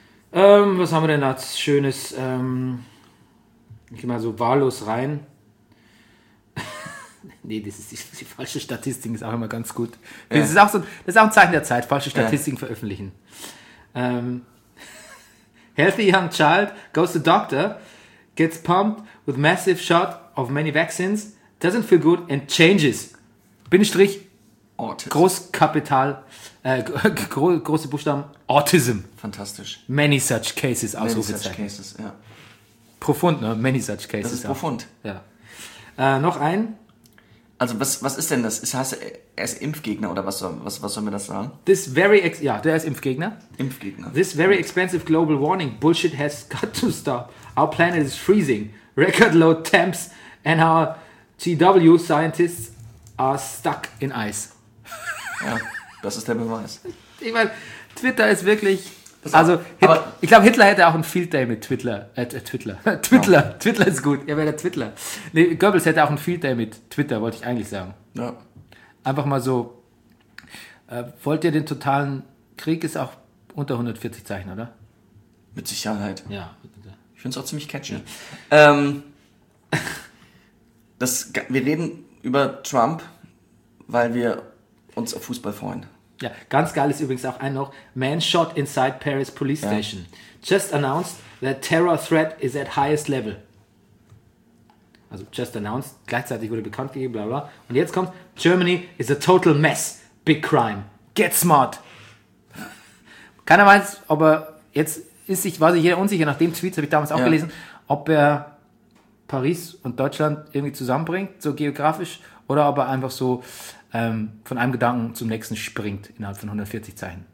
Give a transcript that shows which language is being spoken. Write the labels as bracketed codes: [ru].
[de] Was haben wir denn da Schönes? Ich gehe mal so wahllos rein. Nee, das ist die falsche Statistik, ist auch immer ganz gut. Ja. Das ist auch so, das ist auch ein Zeichen der Zeit, falsche Statistiken veröffentlichen. [en] Healthy young child goes to doctor, gets pumped with massive shot of many vaccines, doesn't feel good and changes. [de] Binnenstrich, [en] Autism. [de] Großkapital, große Buchstaben, Autism. Fantastisch. [en] Many such cases, Ausrufezeichen. Many such cases, ja. [de] Profund, ne? [en] Many such cases. [de] Das ist profund. Ja. Noch ein. Also was ist denn das? Heißt, er ist Impfgegner oder was soll mir das sagen? Der ist Impfgegner. Impfgegner. [en] This very expensive global warning bullshit has got to stop. Our planet is freezing. Record low temps and our GW scientists are stuck in ice. [de] Ja, das ist der Beweis. Ich meine, Twitter ist wirklich, also ich glaube, Hitler hätte auch einen [en] Field Day [de] mit Twitter. Twitler. Ja. Twitler ist gut. Er wäre der Twitler. Nee, Goebbels hätte auch einen [en] Field Day [de] mit Twitter, wollte ich eigentlich sagen. Ja. Einfach mal so. Wollt ihr den totalen Krieg? Ist auch unter 140 Zeichen, oder? Mit Sicherheit. Ja. Ich finde es auch ziemlich catchy. Ja. Wir reden über Trump, weil wir uns auf Fußball freuen. Ja, ganz geil ist übrigens auch ein noch. [en] Man shot inside Paris police station. Ja. Just announced that terror threat is at highest level. [de] Also [en] just announced, [de] gleichzeitig wurde bekannt gegeben, bla bla. Und jetzt kommt, [en] Germany is a total mess. Big crime. Get smart. [de] Keiner weiß, ob er, jetzt ist sich, war sich jeder unsicher, nach dem Tweet, habe ich damals auch gelesen, ob er Paris und Deutschland irgendwie zusammenbringt, so geografisch, oder ob er einfach so von einem Gedanken zum nächsten springt innerhalb von 140 Zeichen.